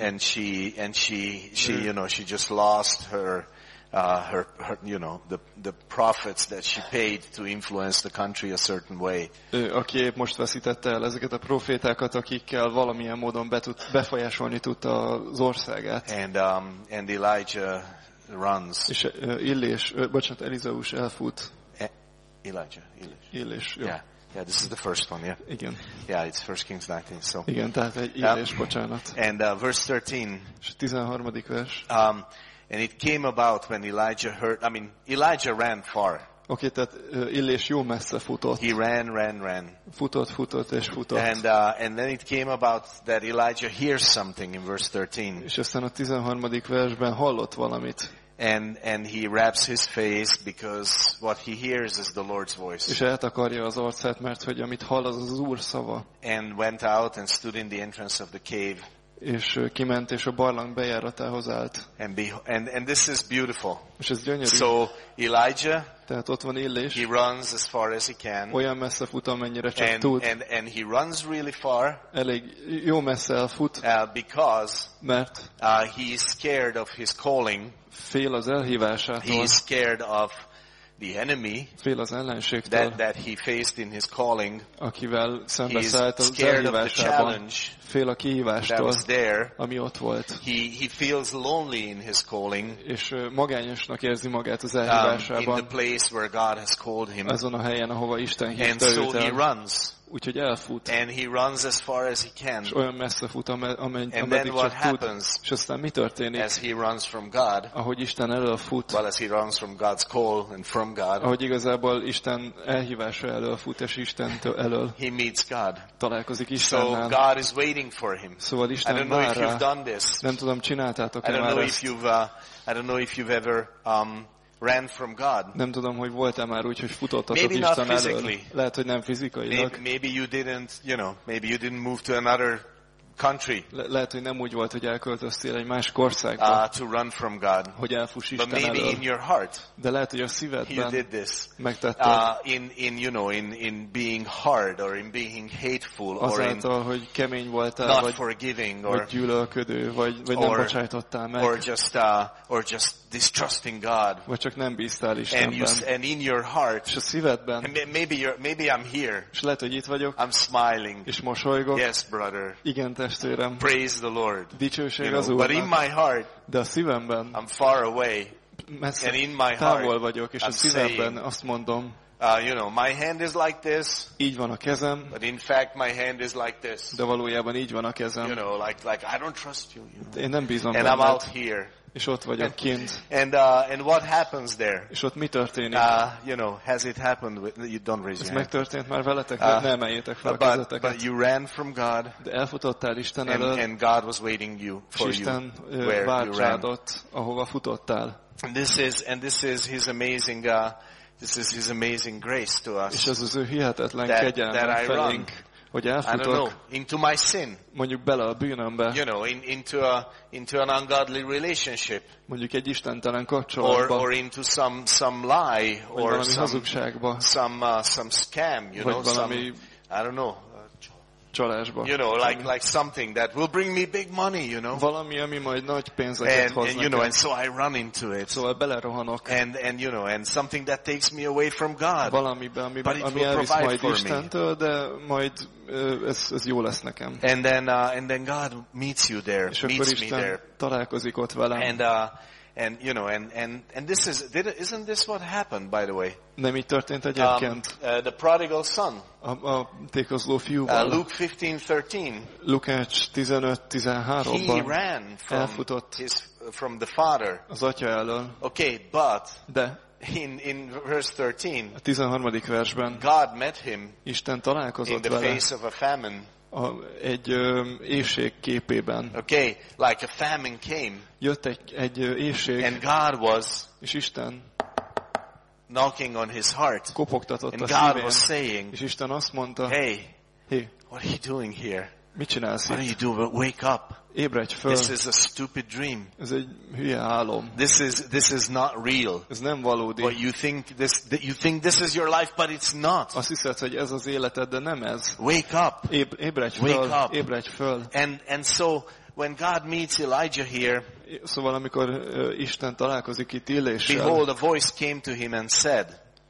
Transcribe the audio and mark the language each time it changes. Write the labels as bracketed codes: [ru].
[en] And she you know, she just lost her you know, the profits that she paid to influence the country a certain way. [hu] Aki most veszítette el ezeket a profétákat, akikkel valamilyen módon befolyásolni tudta az országát. [en] And Elijah runs. [hu] És Illés, bocsánat, Elizeus elfut. [en] Elijah, [hu] Illés. Illés, jó. [en] Yeah. Yeah, this is the first one, yeah. [hu] Igen. [en] Yeah, it's 1 Kings 19, so. [hu] Igen, tehát egy Illés, bocsánat. [en] And verse 13. [hu] És a 13. vers. [en] And it came about when Elijah heard, I mean, Elijah ran far. [hu] Okay, tehát Illés jó messze futott. [en] He ran. [hu] Futott és futott. [en] And then it came about that Elijah hears something in verse 13. [hu] És aztán a 13. versben hallott valamit. [en] And he wraps his face because what he hears is the Lord's voice. [hu] És eltakarja az arcát, mert hogy amit hall, az az Úr szava. [en] And went out and stood in the entrance of the cave. [hu] És kiment és a barlang bejáratához állt. [en] And this is beautiful. [hu] És ez gyönyörű. [en] So Elijah, [hu] tehát ott van Illés. [en] He runs as far as he can. [hu] Olyan messze fut, amennyire csak [en] and, [hu] tud. [en] And he runs really far. [hu] Elég jó messze elfut. [en] Because [hu] mert [en] he is scared of his calling. [hu] Fél az elhívásától. [en] He is scared of the enemy. [hu] Fél az ellenségtől. [en] That he faced in his calling. [hu] Akivel szembeszállt az elhívásában. Fél a kihívástól. [en] That was there. [hu] Ami ott volt. [en] He feels lonely in his calling. [hu] És magányosnak érzi magát az elhívásában. [en] In the place where God has called him. [hu] Azon a helyen, ahova Isten hívta. [en] And so he runs. [hu] Úgyhogy elfut. [en] And he runs as far as he can. [hu] És olyan messze fut, [en] and then what happens? [hu] És aztán mi történik? [en] As he runs from God. [hu] Ahogy Isten elől fut. [en] Well, as he runs from God's call and from God. [hu] Ahogy igazából Isten elhívása elől fut, és Istentől elől. [en] He meets God. [hu] Találkozik Istennel. [en] So God is waiting for him. [hu] Szóval Isten várja. [en] I don't know if you've done this. [hu] Nem tudom, csináltátok-e már ezt. [en] I don't know if you've ever ran from God. [hu] Nem tudom, hogy volt-e már úgy, hogy futottatok Isten elől. Lehet, hogy nem fizikailag. [en] Maybe you didn't, you know, maybe you didn't move to another country. [hu] Lehet, hogy nem úgy volt, hogy elköltöztél egy más országba. [en] To run from God. [hu] Hogy elfuss Isten elől. [en] But maybe in your heart. [hu] De lehet, hogy a szívedben. [en] You did this. [hu] Megtetted. [en] In you know, in being hard or in being hateful or in [hu] azáltal, hogy kemény voltál, vagy [en] forgiving or [hu] gyűlölködő, vagy nem bocsájtottál meg. [en] Or just distrusting God. [hu] Vagy csak nem bíztál Istenben. [en] And in your heart. [hu] És a szívedben. [en] Maybe I'm here. [hu] És lehet, hogy itt vagyok. [en] I'm smiling. [hu] És mosolygok. [en] Yes, brother. [hu] Igen, testvérem. [en] Praise the Lord. [hu] Dicsőség az Úrnak. [en] But in my heart. [hu] De a szívemben. [en] I'm far away. [hu] Messze, [en] and in my heart. [hu] Távol vagyok, és [en] I'm [hu] a szívemben [en] saying, [hu] azt mondom. [en] You know, my hand is like this. [hu] Így van a kezem. [en] But in fact, my hand is like this. [hu] De valójában így van a kezem. [en] You know, like I don't trust you. You know. [hu] Én nem bízom benned. [en] And I'm out here. [hu] És ott vagyok kint. [en] And what happens there? [hu] És ott mi történik? [en] You know, has it happened with, you don't raise your hand. [hu] Ez megtörtént már veletek, hogy nem emeljétek fel a kezeteket. [en] But you ran from God. [hu] De elfutottál Isten elől. [en] And God was waiting you for [hu] Isten, [en] you. [hu] Isten várt rád ott, ahova futottál. [en] And this is his amazing this is his amazing grace to us. [hu] És ez az ő hihetetlen kegyelme felénk. Hogy elfutok, [en] I don't know, into my sin, [hu] mondjuk bele a bűnömbe, [en] you know, into an ungodly relationship, [hu] mondjuk egy istentelen kapcsolatba, [en] or into some lie, or some scam, you [hu] vagy [en] know, [hu] valami, [en] some, I don't know, [hu] csalásba, [en] you know, like something that will bring me big money, you know, [hu] valami, ami majd nagy pénzeket hoz nekem, [en] and you know, and so I run into it, [hu] szóval belerohanok, [en] and you know, and something that takes me away from God, [hu] valamibe, ami elvisz majd Istentől, de majd ez jó lesz nekem. [en] And then God meets you there, meets me there, [hu] találkozik ott velem. [en] And you know, and this is, isn't this what happened, by the way? [hu] Nem így történt egyébként. [en] The prodigal son. [hu] A tékozló fiúval. [en] Luke 15:13. He ran from the father. [hu] Az atya elől. [en] Okay, but. [hu] De. [en] In verse 13. [hu] A 13. versben. [en] God met him. [hu] Isten találkozott vele. [en] In the face of a famine. [hu] Egy éhség képében. [en] Okay, like a famine came. [hu] Jött egy éhség. [en] And God was. [hu] És Isten. [en] Knocking on his heart. [hu] Kopogtatott a szívén. [en] And God was saying. [hu] És Isten azt mondta. [en] Hey. What are you doing here? [hu] Mit csinálsz itt? [en] What are you doing? Wake up. [hu] Ébredj föl. [en] This is a stupid dream. [hu] Ez egy hülye álom. [en] This is not real. [hu] Ez nem valódi. [en] What you think this is your life, but it's not. [hu] Azt hiszed, hogy ez az életed, de nem ez. [en] Wake up. [hu] Ébredj föl. [en] Wake up. [hu] Ébredj föl. [en] And so when God meets Elijah here. [hu] Szóval amikor Isten találkozik itt Illéssel. [en] Behold, a voice came to him and said.